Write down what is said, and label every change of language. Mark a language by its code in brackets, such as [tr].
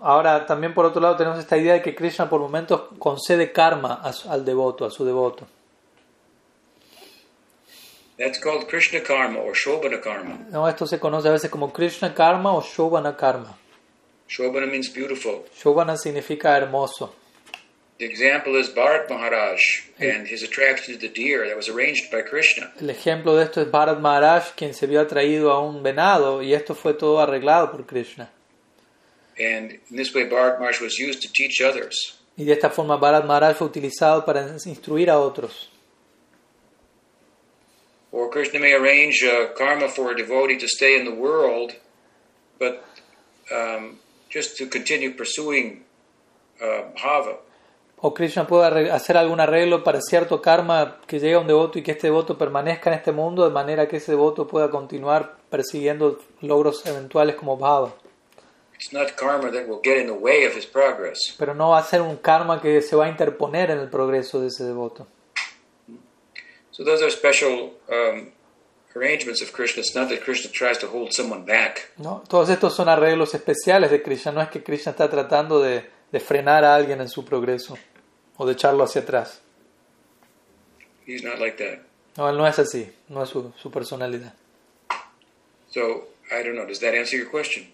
[es] Ahora, también por otro lado, tenemos esta idea de que Krishna por momentos concede karma al devoto, a su devoto. [en] That's called Krishna karma or Shobhana karma. [es] No, esto se conoce a veces como Krishna karma o Shobhana karma. [en] Shobhana means beautiful. [es] Shobhana significa hermoso. [en] The example is Bharat Maharaj and his attraction to the deer that was arranged by Krishna. [es] El ejemplo de esto es Bharat Maharaj, quien se vio atraído a un venado, y esto fue todo arreglado por Krishna. [en] And in this way, Bharat Maharaj was used to teach others. [es] Y de esta forma, Bharat Maharaj fue utilizado para instruir a otros. [en] Or Krishna may arrange a karma for a devotee to stay in the world, but just to continue pursuing bhava. [es] O Krishna puede hacer algún arreglo para cierto karma que llegue a un devoto y que este devoto permanezca en este mundo de manera que ese devoto pueda continuar persiguiendo logros eventuales como bhava. [en] It's not karma that will get in the way of his progress. [es] Pero no va a ser un karma que se va a interponer en el progreso de ese devoto. [en] So those are special arrangements of Krishna. It's not that Krishna tries to hold someone back. [es] No, todos estos son arreglos especiales de Krishna. No es que Krishna está tratando de frenar a alguien en su progreso o de echarlo hacia atrás. [en] He's not like that. [es] No, él no es así. No es su personalidad. [en] So, I don't know. Does that answer your question?